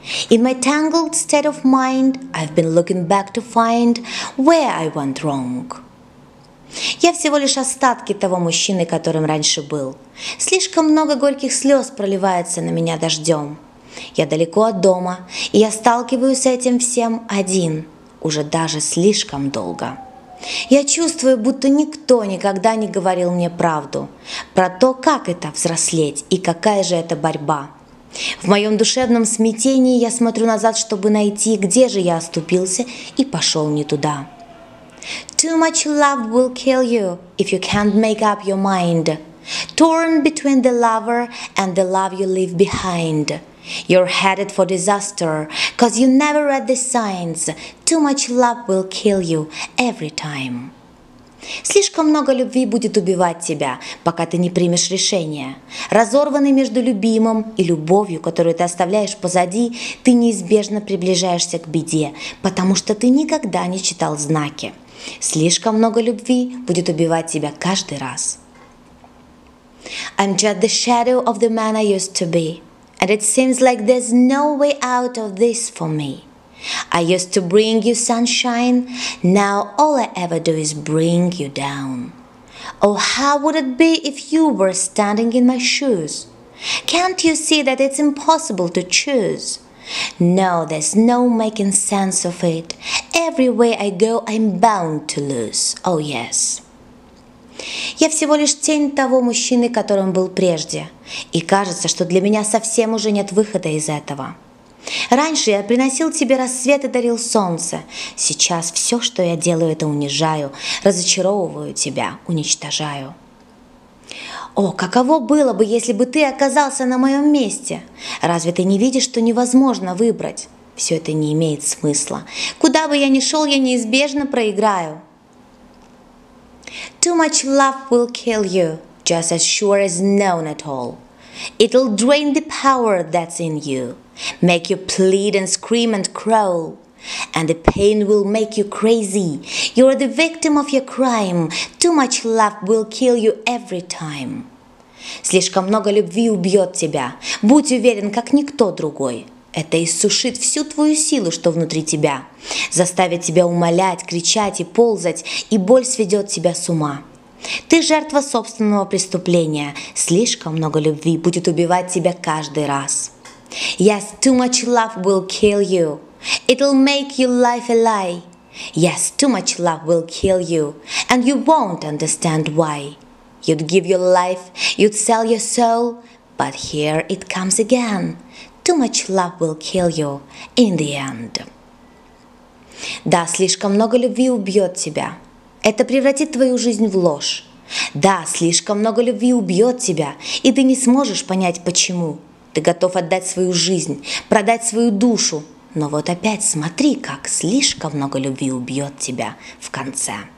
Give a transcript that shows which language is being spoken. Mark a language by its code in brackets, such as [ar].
[en] In my tangled state of mind, I've been looking back to find where I went wrong. [ru] Я всего лишь остатки того мужчины, которым раньше был. Слишком много горьких слез проливается на меня дождем. Я далеко от дома, и я сталкиваюсь с этим всем один, уже даже слишком долго. Я чувствую, будто никто никогда не говорил мне правду про то, как это взрослеть и какая же это борьба. В моем душевном смятении я смотрю назад, чтобы найти, где же я оступился и пошел не туда. [en] Too much love will kill you if you can't make up your mind. Torn between the lover and the love you leave behind. You're headed for disaster, 'cause you never read the signs. Too much love will kill you every time. [ru] Слишком много любви будет убивать тебя, пока ты не примешь решение. Разорванный между любимым и любовью, которую ты оставляешь позади, ты неизбежно приближаешься к беде, потому что ты никогда не читал знаки. Слишком много любви будет убивать тебя каждый раз. [en] I'm just the shadow of the man I used to be, and it seems like there's no way out of this for me. I used to bring you sunshine, now all I ever do is bring you down. Oh, how would it be if you were standing in my shoes? Can't you see that it's impossible to choose? No, there's no making sense of it. Everywhere I go, I'm bound to lose. Oh, yes. [ru] Я всего лишь тень того мужчины, которым был прежде. И кажется, что для меня совсем уже нет выхода из этого. Раньше я приносил тебе рассвет и дарил солнце. Сейчас все, что я делаю, это унижаю, разочаровываю тебя, уничтожаю. О, каково было бы, если бы ты оказался на моем месте? Разве ты не видишь, что невозможно выбрать? Все это не имеет смысла. Куда бы я ни шел, я неизбежно проиграю. [en] Too much love will kill you, just as sure as known at all. It'll drain the power that's in you, make you plead and scream and crawl. And the pain will make you crazy. You're the victim of your crime. Too much love will kill you every time. [ru] Слишком много любви убьет тебя. Будь уверен, как никто другой. Это иссушит всю твою силу, что внутри тебя. Заставит тебя умолять, кричать и ползать, и боль сведет тебя с ума. Ты жертва собственного преступления. Слишком много любви будет убивать тебя каждый раз. [en] Yes, too much love will kill you. It'll make your life a lie. Yes, too much love will kill you, and you won't understand why. You'd give your life, you'd sell your soul, but here it comes again. Too much love will kill you in the end. [ru] Да, слишком много любви убьет тебя. Это превратит твою жизнь в ложь. Да, слишком много любви убьет тебя, и ты не сможешь понять почему. Ты готов отдать свою жизнь, продать свою душу. Но вот опять смотри, как слишком много любви убьет тебя в конце.